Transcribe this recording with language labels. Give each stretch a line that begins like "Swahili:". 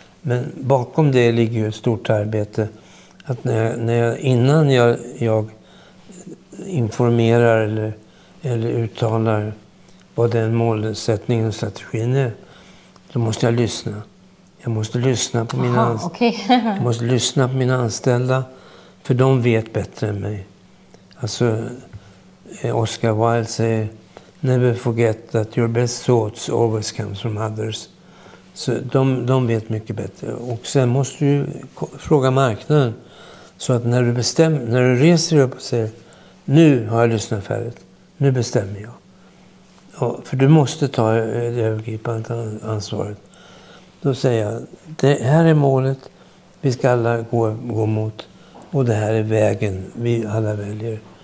Swedish: Men bakom det ligger ju ett stort arbete. Att innan jag informerar eller uttalar vad den målsättningen och strategin är, då måste jag lyssna. Jag måste lyssna på mina anställda, för de vet bättre än mig. Alltså, Oscar Wilde säger,
English: never forget that your best thoughts always come from others.
Swedish: Så de vet mycket bättre. Och sen måste du fråga marknaden, så att när du reser upp och säger, nu har jag lyssnat färdigt, nu bestämmer jag. Och, för du måste ta det övergripande ansvaret. Då säger jag, det här är målet vi ska alla gå mot, och det här är vägen vi alla väljer.